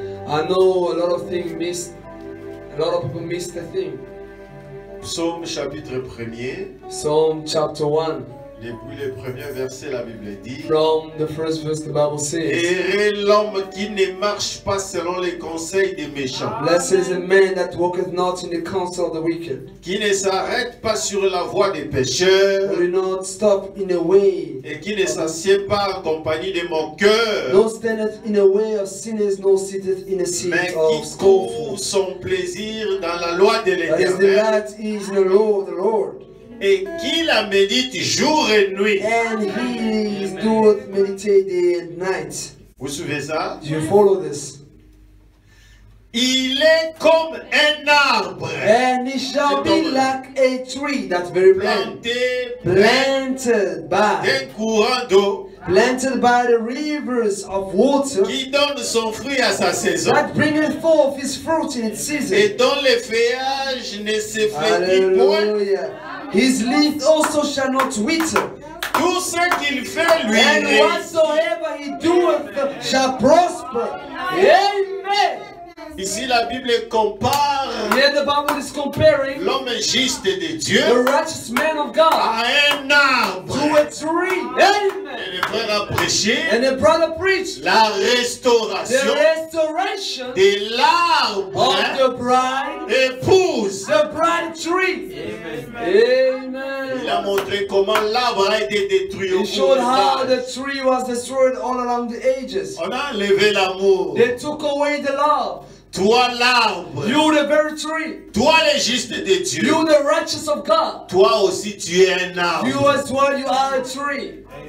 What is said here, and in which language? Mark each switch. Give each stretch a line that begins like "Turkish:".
English: I know a lot of things missed. A lot of people missed the thing.
French: Psaume chapitre premier.
English: Psalm chapter 1.
French: Depuis le premier verset, la Bible dit.
English: From the first verse, the Bible says.
French: Heureux l'homme qui ne marche pas selon les conseils des méchants.
English: Blessed is a man that walketh not in the counsel of the wicked.
French: Qui ne s'arrête pas sur la voie des pécheurs.
English: Who do not stop in the way.
French: Et qui ne s'assied pas en compagnie des moqueurs.
English: No standeth in the way of sinners, nor sitteth in the seat
French: mais
English: of scoffers.
French: Mais qui trouve son plaisir dans la loi de l'Éternel.
English: But his delight is in the law of the Lord.
French: Et qui la médite jour et nuit.
English: And he is doing meditate day and night.
French: Vous suivez ça?
English: Do you follow this?
French: Il est comme un arbre.
English: And he shall be like a tree that's very
French: planté,
English: planted by
French: des courants d'eau.
English: Planted by the rivers of water,
French: qui donne son fruit à sa saison,
English: that bringeth forth his fruit in its season,
French: et dont le feuillage ne se flétrit point,
English: his leaf also shall not wither.
French: Tout ce qu'il fait lui
English: and
French: réussit.
English: Whatsoever he doeth shall prosper. Amen.
French: Ici la Bible compare
English: yeah, the Bible is comparing
French: l'homme juste de Dieu
English: the righteous man of God
French: à un arbre
English: to a tree. Amen.
French: Et le frère a prêché
English: and the brother preached
French: la restauration,
English: the restoration
French: de l'arbre
English: of the bride
French: épouse
English: the bride tree. Amen. Amen.
French: Il a montré comment l'arbre a été détruit au
English: showed how the tree was destroyed all along the ages.
French: On a enlevé l'amour.
English: They took away the love.
French: Toi l'arbre.
English: You the very tree.
French: Toi le juste de Dieu.
English: You the righteous of God.
French: Toi aussi tu es un arbre.
English: You as well you are a tree.